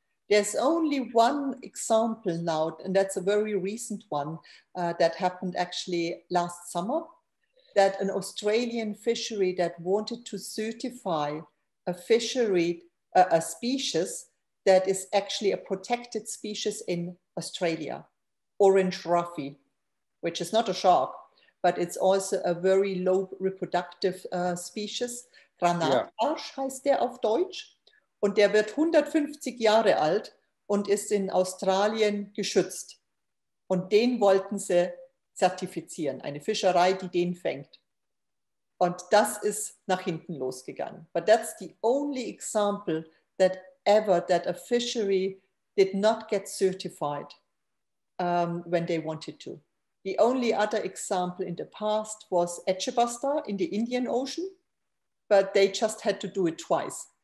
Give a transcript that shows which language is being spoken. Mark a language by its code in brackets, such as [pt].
[en] There's only one example now, and that's a very recent one that happened actually last summer, that an Australian fishery that wanted to certify a fishery, a species that is actually a protected species in Australia, orange roughy, which is not a shark, but it's also a very low reproductive species. [de] Granatbarsch heißt der auf Deutsch. Und der wird 150 Jahre alt und ist in Australien geschützt. Und den wollten sie zertifizieren, eine Fischerei, die den fängt. Und das ist nach hinten losgegangen. [en] But that's the only example that ever that a fishery did not get certified when they wanted to. The only other example in the past was Echebasta in the Indian Ocean, but they just had to do it twice.